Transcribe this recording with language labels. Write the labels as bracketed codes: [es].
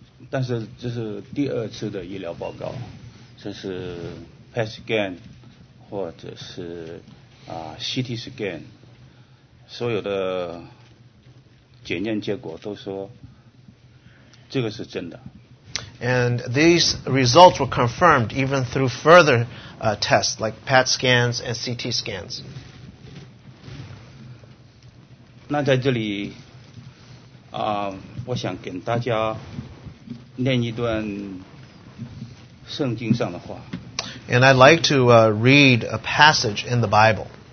[zh] 但是这是第二次的医疗报告，这是 PET scan 或者是CT scan， 所有的检验结果都说这个是真的。 [en] And these results were confirmed even through further tests like PET scans and CT scans. [zh] 那在这里我想跟大家念一段圣经上的话。 [en] And I'd like to read a passage in the Bible.